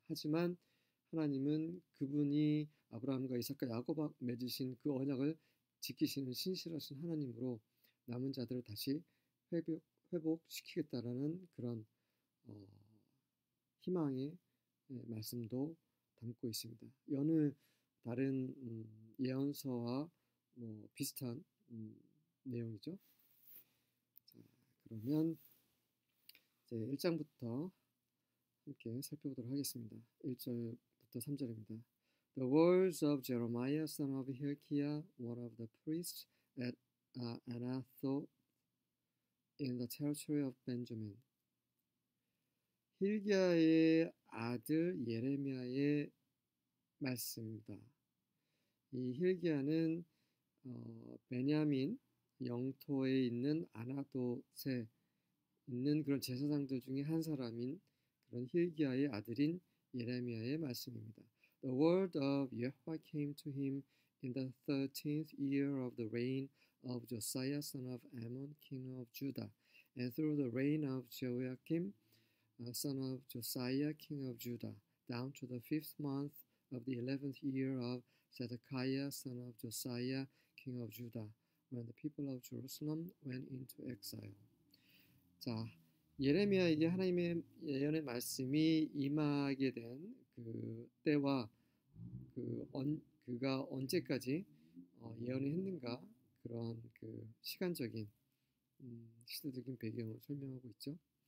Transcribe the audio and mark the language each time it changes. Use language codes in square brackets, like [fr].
[ko] 하지만 하나님은 그분이 아브라함과 이삭과 야곱과 맺으신 그 언약을 지키시는 신실하신 하나님으로 남은 자들을 다시 회복시키겠다라는 그런 희망의 말씀도 담고 있습니다. 여느 다른 예언서와 뭐 비슷한 내용이죠. 자, 그러면 이제 1장부터 함께 살펴보도록 하겠습니다. 1절부터 3절입니다. [en] The words of Jeremiah, son of Hilkiah, one of the priests at Anathoth in the territory of Benjamin. [ko] 힐기야의 아들 예레미야의 말씀입니다. 이 힐기야는 베냐민 영토에 있는 아나돗에 있는 그런 제사장들 중에 한 사람인 그런 힐기야의 아들인 예레미야의 말씀입니다. [en] The word of Yahweh came to him in the 13th year of the reign of Josiah, son of Amon, king of Judah, and through the reign of Jehoiakim, son of Josiah, king of Judah, down to the 5th month of the 11th year of Zedekiah, son of Josiah, king of Judah, when the people of Jerusalem went into exile. [ko] 자, 예레미야에게 하나님의 예언의 말씀이 임하게 된그 때와 그가 언제까지 예언을 했는가, 그런 그 시간적인 시대적인 배경을 설명하고 있죠.